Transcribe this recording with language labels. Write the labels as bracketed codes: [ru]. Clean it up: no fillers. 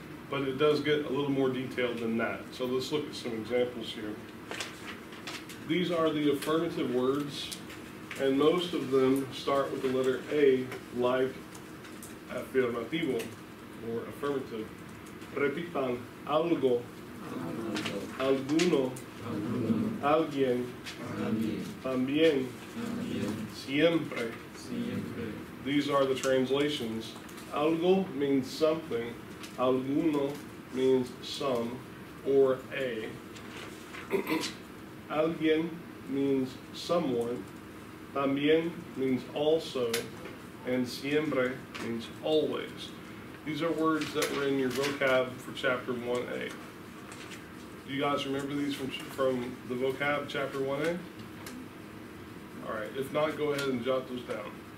[en] But it does get a little more detailed than that. So let's look at some examples here. These are the affirmative words, and most of them start with the letter A, like affirmativo, or affirmative. [es] Repitan, algo, alguno, alguien, también, siempre. [en] These are the translations. Algo means something, alguno means some, or a. Alguien means someone, también means also, and siempre means always. These are words that were in your vocab for chapter 1A. Do you guys remember these from the vocab chapter 1A? Alright, if not, go ahead and jot those down.